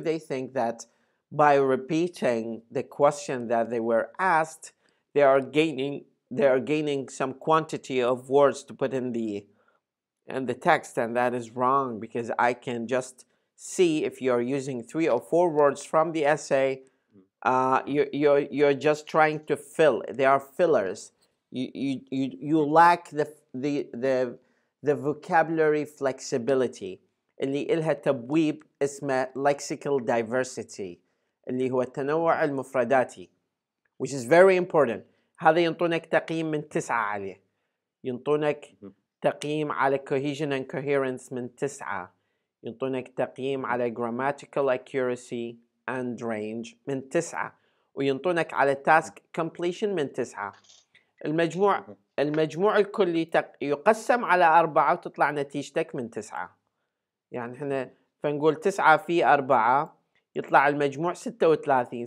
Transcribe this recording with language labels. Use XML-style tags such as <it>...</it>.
<en>They think that by repeating the question that they were asked, they are gaining some quantity of words to put in the text, and that is wrong, because I can just see if you're using three or four words from the essay, you're just trying to fill. They are fillers. You lack the vocabulary flexibility.</en> <ar>اللي إلها تبويب اسمه lexical diversity. اللي هو التنوع المفرداتي.</ar> <en>Which is very important.</en> <ar>هذا ينطونك تقييم من 9 عليه. ينطونك تقييم على cohesion and coherence من 9. ينطونك تقييم على grammatical accuracy and range من 9. وينطونك على task completion من 9. المجموع الكلي يقسم على 4 وتطلع نتيجتك من 9. يعني احنا فنقول 9 في 4 يطلع المجموع 36.</ar>